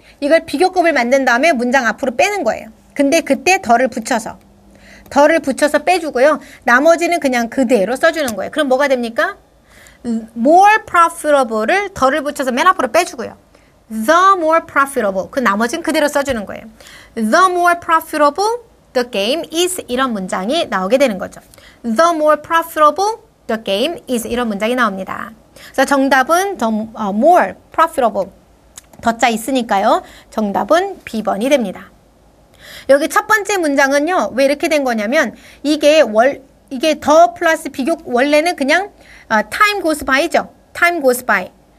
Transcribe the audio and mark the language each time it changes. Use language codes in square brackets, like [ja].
[ko] 이걸 비교급을 만든 다음에 문장 앞으로 빼는 거예요. 근데 그때 더를 붙여서 빼주고요. 나머지는 그냥 그대로 써주는 거예요. 그럼 뭐가 됩니까? [en] more profitable [ko] 을 더를 붙여서 맨 앞으로 빼주고요. [en] The more profitable. [ko] 그 나머지는 그대로 써주는 거예요. [en] The more profitable the game is [ko] 이런 문장이 나오게 되는 거죠. [en] The more profitable the game is [ko] 이런 문장이 나옵니다. 그래서 정답은 [en] more profitable. [ko] 덧자 있으니까요. 정답은 B번이 됩니다. 여기 첫 번째 문장은요. 왜 이렇게 된 거냐면 이게 더 플러스 비교 원래는 그냥 [en] time goes by죠. Time goes by.